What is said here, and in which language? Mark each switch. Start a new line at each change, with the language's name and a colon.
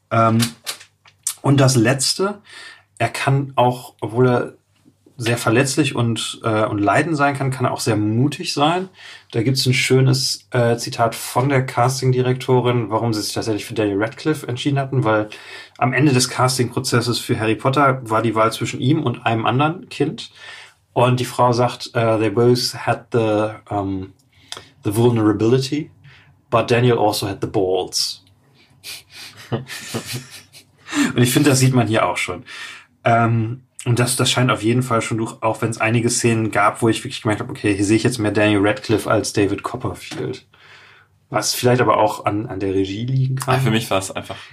German: Und das Letzte, er kann auch, obwohl er sehr verletzlich und leidend sein kann, kann er auch sehr mutig sein. Da gibt es ein schönes Zitat von der Casting-Direktorin, warum sie sich tatsächlich für Daniel Radcliffe entschieden hatten, weil am Ende des Casting-Prozesses für Harry Potter war die Wahl zwischen ihm und einem anderen Kind. Und die Frau sagt,
English: they both had the vulnerability, but Daniel also had the balls.
German: Und ich finde, das sieht man hier auch schon. Und das scheint auf jeden Fall schon durch, auch wenn es einige Szenen gab, wo ich wirklich gemerkt habe, okay, hier sehe ich jetzt mehr Daniel Radcliffe als David Copperfield. Was vielleicht aber auch an der Regie liegen kann. Für mich war es einfach.